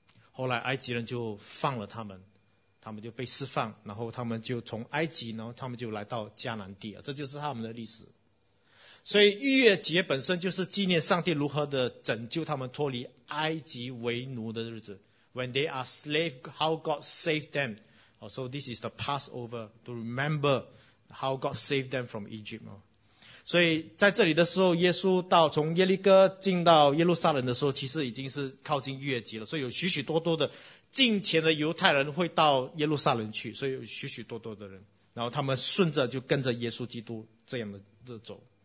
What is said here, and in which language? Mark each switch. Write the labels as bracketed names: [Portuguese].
[Chinese] 后来埃及人就放了他们，他们就被释放，然后他们就从埃及，然后他们就来到迦南地啊，这就是他们的历史。所以逾越节本身就是纪念上帝如何的拯救他们脱离埃及为奴的日子。 [English] When they are slave, how God saved them. So this is the Passover to remember how God saved them from Egypt. [Chinese] 所以在这里的时候，耶稣到从耶利哥进到耶路撒冷的时候，其实已经是靠近逾越节了。所以有许许多多的近前的犹太人会到耶路撒冷去，所以有许许多多的人，然后他们顺着就跟着耶稣基督这样的走。